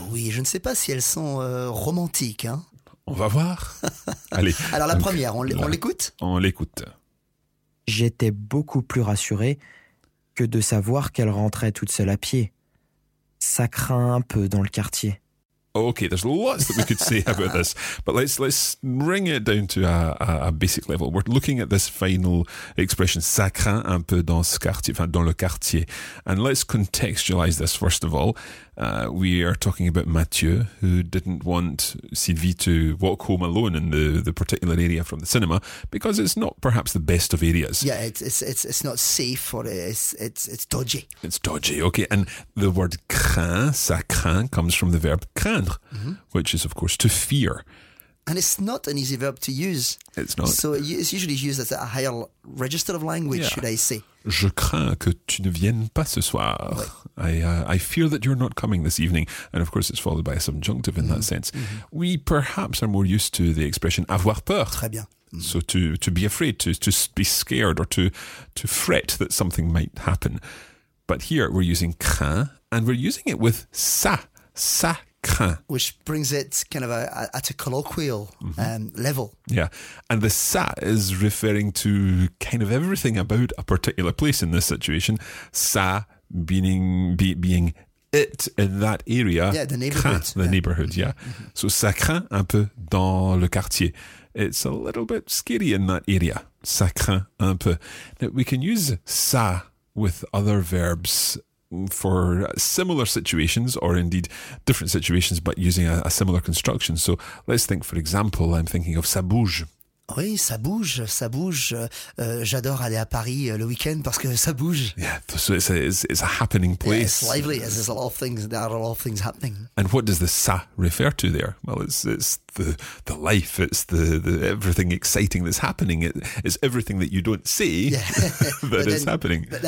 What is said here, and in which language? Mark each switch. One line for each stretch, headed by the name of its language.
French: Oui, je ne sais pas si elles sont romantiques, hein. On va voir. Allez. Alors la donc, première, on l'écoute ? On l'écoute. J'étais beaucoup plus rassuré que de savoir qu'elle rentrait toute seule à pied. Ça craint un peu dans le quartier.
English: Okay, there's lots that we could say about this, but let's bring it down to a basic level. We're looking at this final expression,
French: ça craint un peu dans ce quartier, enfin, dans le quartier.
English: And let's contextualize this, first of all. We are talking about Mathieu, who didn't want Sylvie to walk home alone in the particular area from the cinema, because it's not perhaps the best of areas. Yeah, it's not safe for it's dodgy. It's dodgy, okay. And the word craint, ça craint, comes from the verb craindre, which is, of course, to fear. And it's not an easy verb to use. It's not. So it's usually used as a higher register of language, yeah. Should I say.
French: Je crains que tu ne viennes pas ce soir.
English: Right. I fear that you're not coming this evening. And of course, it's followed by a subjunctive in that sense. Mm-hmm. We perhaps are more used to the expression avoir peur.
French: Très bien. Mm-hmm.
English: So to be afraid, to be scared or to fret that something might happen. But here we're using crains and we're using it with ça.
French: Ça craint.
English: Which brings it kind of at a colloquial level. Yeah. And the ça is referring to kind of everything about a particular place in this situation. Ça being it in that area. Yeah, the neighborhood. Craint, the neighborhood, yeah.
French: So ça craint un peu dans le quartier.
English: It's a little bit scary in that area.
French: Ça craint un peu.
English: Now, we can use ça with other verbs for similar situations or indeed different situations, but using a similar construction. So let's think, for example, I'm thinking of ça bouge.
French: Oui, ça bouge, ça bouge. J'adore aller à Paris le week-end parce que ça bouge.
English: Yeah, so it's a happening place. Yeah, it's lively, as there's a lot of things happening. And what does the ça refer to there? Well, it's the life, it's the everything exciting that's happening. It's everything that you don't see that is happening.